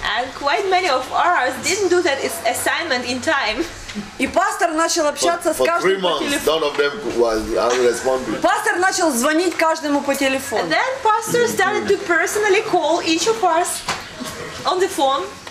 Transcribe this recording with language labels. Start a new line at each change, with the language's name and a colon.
English: And quite many of ours didn't do that assignment in time.
Russian: И пастор начал общаться с каждым по телефону. Пастор начал звонить каждому по телефону.
English: And then pastor started to personally call each of us on the phone.